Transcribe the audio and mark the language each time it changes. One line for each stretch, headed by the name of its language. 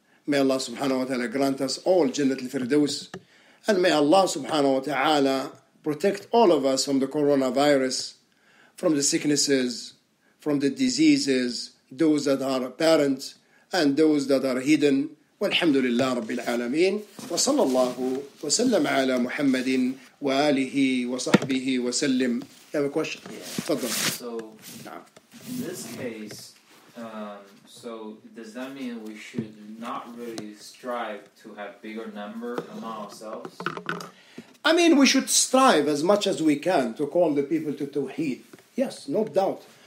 English: May Allah subhanahu wa ta'ala grant us all Jannat al-Firdaus, and may Allah subhanahu wa ta'ala protect all of us from the coronavirus, from the sicknesses, from the diseases, those that are apparent and those that are hidden.
Arabic: والحمد لله رب العالمين وصلى الله وسلم على محمد وآله وصحبه وسلم.
English: You have a question? Yeah.
Arabic: تفضل.
English: So in this case, so does that mean we should not really strive to have bigger number among ourselves? I mean, we should strive as much as we can to call the people to tawheed. Yes, no doubt.